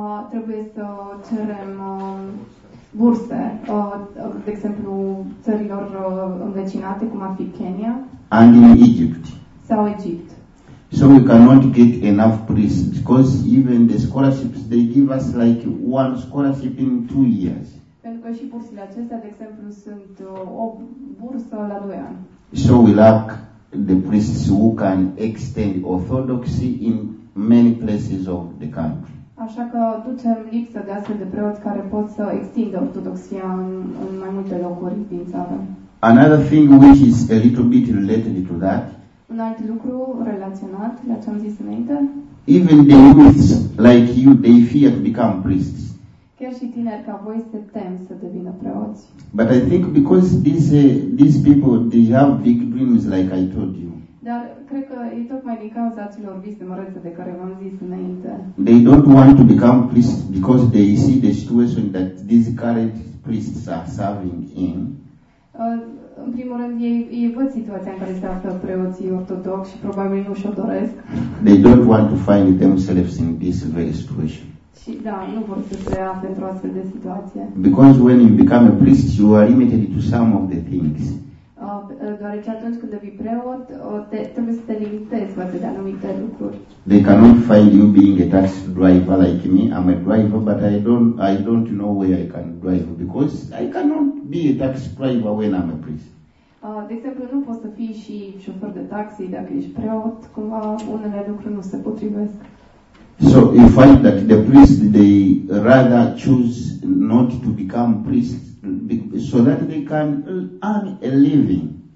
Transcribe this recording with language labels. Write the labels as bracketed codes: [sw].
[ro] Trebuie să cerem burse, de exemplu, țărilor învecinate, cum ar fi Kenya. [en] And in Egypt. [ro] Sau Egipt. [en] So we cannot get enough priests, because even the scholarships they give us like one scholarship in 2 years. [ro] Pentru că și bursele acestea, de exemplu, sunt o bursă la 2 ani. [en] So we lack the priests who can extend orthodoxy in many places of the country. [ro] Așa că ducem lipsă de astfel de preoți care pot să extindă ortodoxia în mai multe locuri din țară. [en] Another thing which is a little bit related to that. [ro] Un alt lucru relaționat la ce am zis înainte. [en] Even the youths like you, they fear to become priests. [ro] Chiar și tineri ca voi se tem să devină preoți. [en] But I think because these people, they have big dreams, like I told you. [ro] Dar cred că e tocmai din cauza acelor vise mărețe de care v-am zis înainte. [en] They don't want to become priests because they see the situation that these current priests are serving in. [ro] În primul rând, ei văd situația în care se află preoții ortodoxi și probabil nu și-o doresc. [en] They don't want to find themselves in this very situation. [ro] Și da, nu vor să se afle într-o astfel de situație. [en] Because when you become a priest, you are limited to some of the things. [ro] Deoarece atunci când devii preot, trebuie să te limitezi față de anumite lucruri. [en] They cannot find you being a taxi driver like me. I'm a driver, but I don't know where I can drive, because I cannot be a taxi driver when I'm a priest. [ro] De exemplu, nu poți să fii și șofer de taxi dacă ești preot. Cumva unele lucruri nu se potrivesc. [en] So you find that the priests, they rather choose not to become priests so that they can earn a living.